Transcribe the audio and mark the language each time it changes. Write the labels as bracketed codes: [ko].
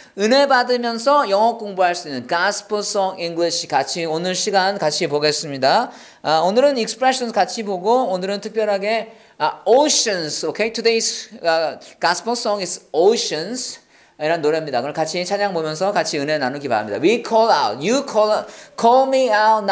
[ko] 은혜 받으면서 영어 공부할 수 있는 Gospel Song English 같이 오늘 시간 같이 보겠습니다. 오늘은 Expressions 같이 보고 오늘은 특별하게 Oceans. [en] Okay? Today's Gospel Song is Oceans. [ko] 이런 노래입니다. 그럼 같이 찬양 보면서 같이 은혜 나누기 바랍니다. [en] We call out, you call, call me out.